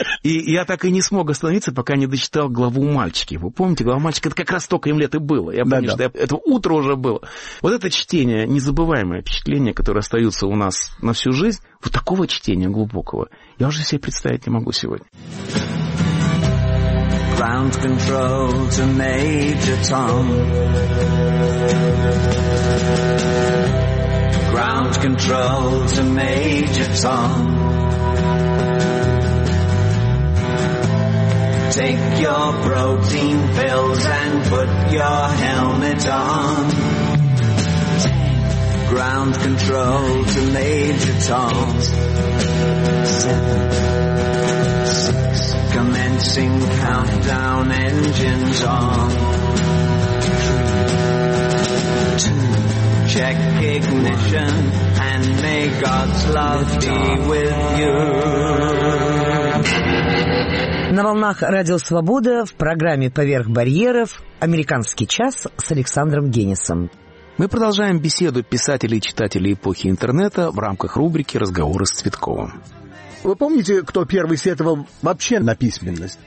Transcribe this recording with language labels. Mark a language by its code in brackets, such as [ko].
[ru] И я так и не смог остановиться, пока не дочитал главу «Мальчики». Вы помните, глава «Мальчики» — это как раз столько им лет и было. Я помню, что это утро уже было. Вот это чтение, незабываемое впечатление, которое остается у нас на всю жизнь, вот такого чтения глубокого я уже себе представить не могу сегодня. [en] Ground control to Major Tom. Ground control to Major Tom. Take your protein pills and put your helmet on. Ground control to Major Tom. 7, 6. Commencing countdown, engines on. 3, 2. Check ignition and may God's love be with you. [ru] На волнах Радио Свобода в программе «Поверх барьеров» «Американский час» с Александром Генисом. Мы продолжаем беседу писателей и читателей эпохи интернета в рамках рубрики «Разговоры с Цветковым». Вы помните, кто первый сетовал вообще на письменность?